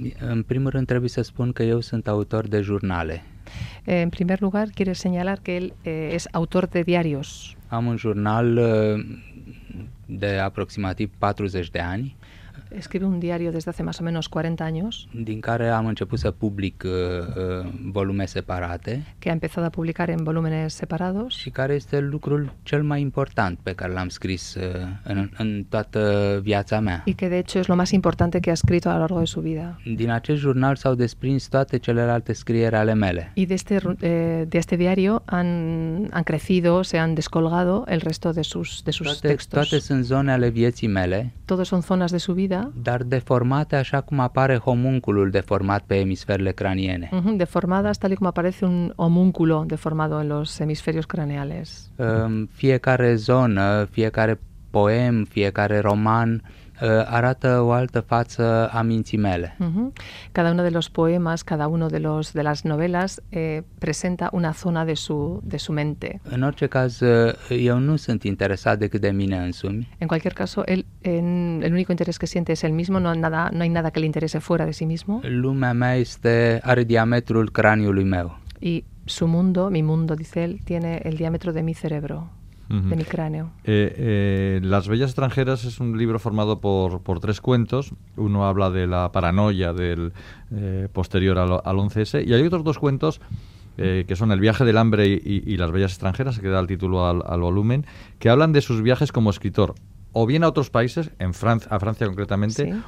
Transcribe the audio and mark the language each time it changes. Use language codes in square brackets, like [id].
[ro] În primul rând trebuie să spun că eu sunt autor de jurnale. [es] În primer lugar, quiero señalar que él es autor de diarios. [ro] Am un jurnal de aproximativ 40 de ani. [es] Escribe un diario desde hace más o menos 40 años. [ro] Din care am început să public volume separate. [es] Que ha empezado a publicar en volúmenes separados. [ro] Și care este lucrul cel mai important pe care l-am scris în toată viața mea. [es] Y que de hecho es lo más importante que ha escrito a lo largo de su vida. [ro] Din acest jurnal s-au desprins toate celelalte scrieri ale mele. [es] Y de este diario han crecido, se han descolgado el resto de sus textos. [ro] Toate sunt zone ale vieții mele. [es] Todos son zonas de su vida. [ro] Dar deformate așa cum apare homunculul deformat pe emisferele craniene. [es] Deformadas tal y como aparece un homúnculo deformado en los hemisferios craneales. [ro] Fiecare zonă, fiecare poem, fiecare roman arată o altă față a minții mele. [es] Cada uno de los poemas, cada uno de las novelas presenta una zona de su mente. [ro] În orice caz, eu nu sunt interesat decât de mine însumi. [es] En cualquier caso, el único interés que siente es el mismo, no hay nada que le interese fuera de sí mismo. [ro] Lumea mea are diametrul craniului meu. [es] Y su mundo, mi mundo, dice él, tiene el diámetro de mi cerebro. De mi cráneo. Las bellas extranjeras es un libro formado por tres cuentos. Uno habla de la paranoia del posterior al 11S, y hay otros dos cuentos que son El viaje del hambre y Las bellas extranjeras, que da el título al volumen, que hablan de sus viajes como escritor, o bien a otros países, a Francia concretamente, ¿sí?